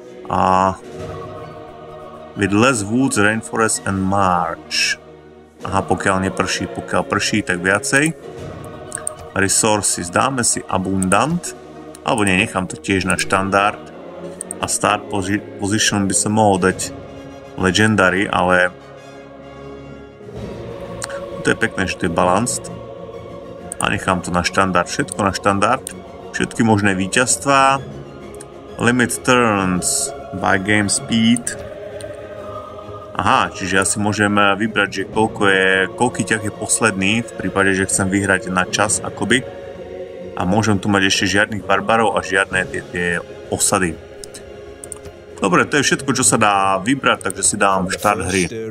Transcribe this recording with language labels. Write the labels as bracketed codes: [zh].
[en] A with less woods, rainforest and marsh. [sk] Aha, pokiaľ neprší, pokiaľ prší, tak viacej. Resources, dáme si abundant. Alebo nie, nechám to tiež na štandard. A start position by sa mohol dať legendary, ale to je pekné, že to je balanced. A nechám to na štandard, všetko na štandard. Všetky možné víťazstvá. [en] Limit turns by game speed. [sk] Aha, čiže asi môžeme vybrať, že koľký ťah je posledný v prípade, že chcem vyhrať na čas akoby. A môžem tu mať ešte žiadnych barbarov a žiadne tie osady. Dobre, to je všetko, čo sa dá vybrať, takže si dám štart hry.